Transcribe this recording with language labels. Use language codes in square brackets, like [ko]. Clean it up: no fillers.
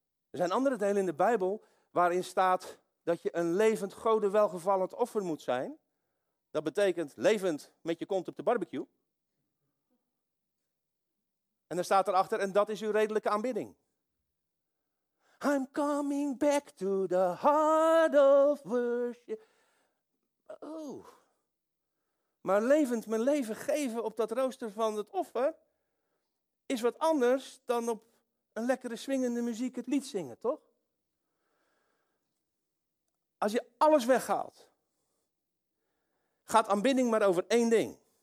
[nl] Er zijn andere delen in de Bijbel waarin staat dat je een levend, God welgevallend offer moet zijn. Dat betekent levend met je kont op de barbecue. En dan staat erachter, en dat is uw redelijke aanbidding. [en] I'm coming back to the heart of worship. Oh. [nl] Maar levend mijn leven geven op dat rooster van het offer is wat anders dan op een lekkere swingende muziek het lied zingen, toch? Als je alles weghaalt, gaat aanbidding maar over 1 ding.